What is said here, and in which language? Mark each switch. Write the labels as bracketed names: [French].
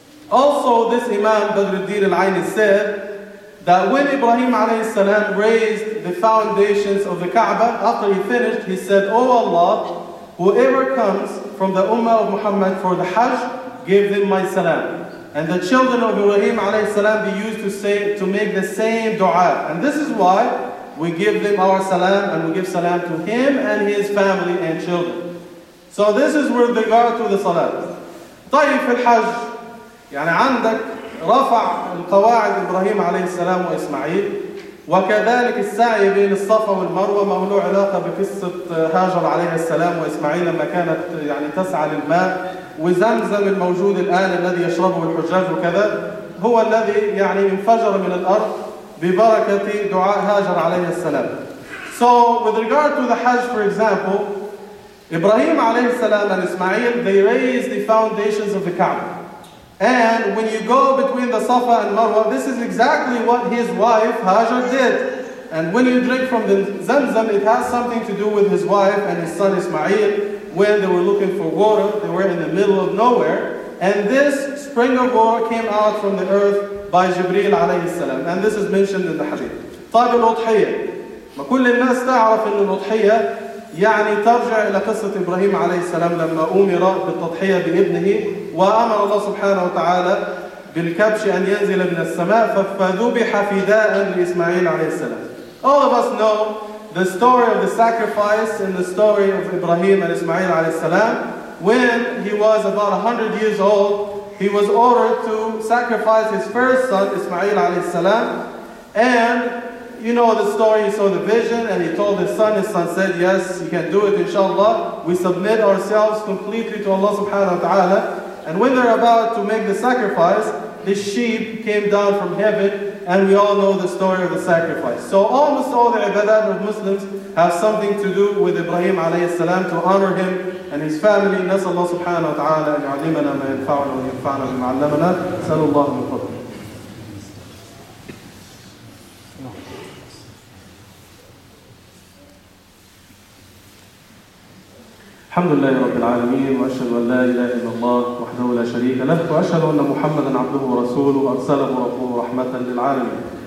[English] Also, this Imam Badr al-Din al-Ayni said that when Ibrahim alayhi salam raised the foundations of the Kaaba, after he finished, he said, oh Allah, whoever comes from the Ummah of Muhammad for the Hajj, give them my salam. And the children of Ibrahim alayhi salam be used to say, to make the same dua. And this is why we give them our salam, and we give salam to him and his family and children. So this is with regard to the salat. [Arabic] طيب في الحج يعني عندك رفع القواعد إبراهيم عليه السلام وإسماعيل، وكذلك السعي بين الصفا والمروة ما له علاقة بقصة هاجر عليه السلام وإسماعيل لما كانت يعني تسعى للماء، وزمزم الموجود الآن الذي يشربه الحجاج وكذا هو الذي يعني انفجر من الأرض ببركة دعاء هاجر عليه السلام. [English] So with regard to the Hajj, for example, Ibrahim alayhi salam and Ismail, they raised the foundations of the Kaaba. And when you go between the Safa and Marwa, this is exactly what his wife Hajar did. And when you drink from the Zamzam, it has something to do with his wife and his son Ismail. When they were looking for water, they were in the middle of nowhere. And this spring of water came out from the earth by Jibreel alayhi salam. And this is mentioned in the Hadith. [Arabic] طيب الأضحية. ما كل الناس تعرف أن الأضحية يعني ترجع إلى قصة إبراهيم عليه السلام لما أمر بالتضحية بابنه وأمر الله سبحانه وتعالى بالكبش أن ينزل من السماء فذبح فداء لإسماعيل عليه السلام. [English] All of us know the story of the sacrifice and the story of Ibrahim and Ismail alayhi salam. When he was about 100 years old, he was ordered to sacrifice his first son, Ismail alayhi salam. And you know the story, he saw the vision and he told his son said, yes, you can do it inshallah. We submit ourselves completely to Allah subhanahu wa ta'ala. And when they're about to make the sacrifice, this sheep came down from heaven, and we all know the story of the sacrifice. So almost all the ibadat of Muslims have something to do with Ibrahim alayhi salam, to honor him and his family. [Arabic] نسأل الله سبحانه وتعالى أن يعلمنا ما ينفعنا وأن ينفعنا بما علمنا. سأل الله من فضله. الحمد لله رب العالمين وأشهد أن لا إله إلا الله وحده لا شريك له وأشهد أن محمدا عبده ورسوله أرسله ربه رحمة للعالمين.